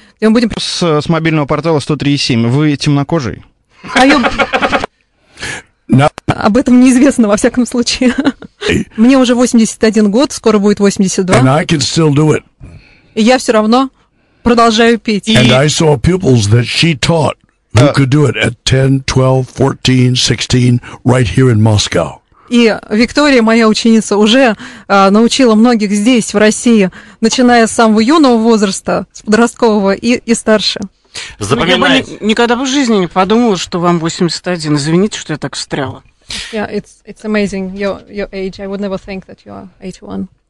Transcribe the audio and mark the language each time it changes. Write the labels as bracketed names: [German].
[Russian] И мы будем... с мобильного портала 103.7. Вы темнокожий? А я... Об этом неизвестно, во всяком случае. Мне уже 81 год, скоро будет 82. [English] And I can still do it. [Russian] И я все равно продолжаю петь. [English] And I saw pupils that she taught who could do it at 10, 12, 14, 16, right here in Moscow. [Russian] И Виктория, моя ученица, уже научила многих здесь, в России, начиная с самого юного возраста, с подросткового и старше. Запоминаю. Ну, я бы никогда в жизни не подумала, что вам 81. Извините, что я так встряла. [English] Yeah, it's amazing your age. I would never think that you are 81.